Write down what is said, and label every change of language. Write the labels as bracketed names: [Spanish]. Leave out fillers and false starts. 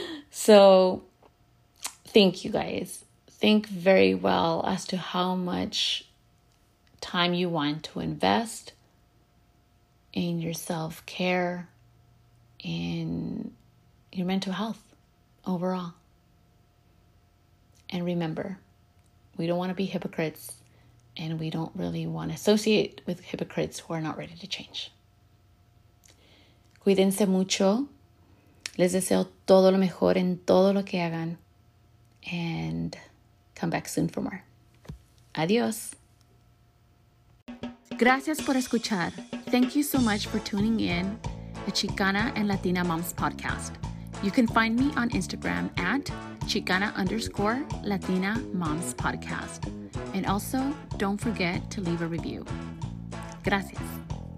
[English] So think, you guys. Think very well as to how much time you want to invest in your self-care, in your mental health overall. And remember, we don't want to be hypocrites. And we don't really want to associate with hypocrites who are not ready to change. [Spanish] Cuídense mucho. Les deseo todo lo mejor en todo lo que hagan. [English] And come back soon for more. Adiós. [Spanish] Gracias por escuchar. [English] Thank you so much for tuning in the Chicana and Latina Moms podcast. You can find me on Instagram at Chicana_Latina Moms Podcast. And also, don't forget to leave a review. Gracias.